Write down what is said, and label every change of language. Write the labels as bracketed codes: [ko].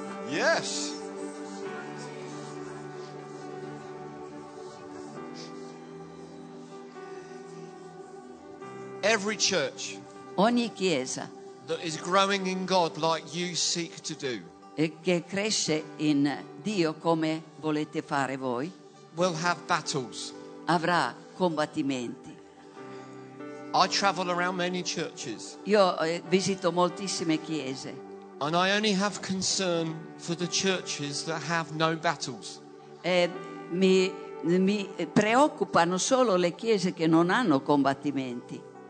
[en] Yes. Every church. [it] Ogni chiesa. [en] That is growing in God like you seek to do. [it] E che cresce in Dio come volete fare voi. [en] will have battles. [it] Avrà combattimenti. [en] I travel around many churches. [it] Io visito moltissime chiese. [en] And I only have concern for the churches that have no battles. [it] Mi preoccupano solo le chiese che non hanno combattimenti.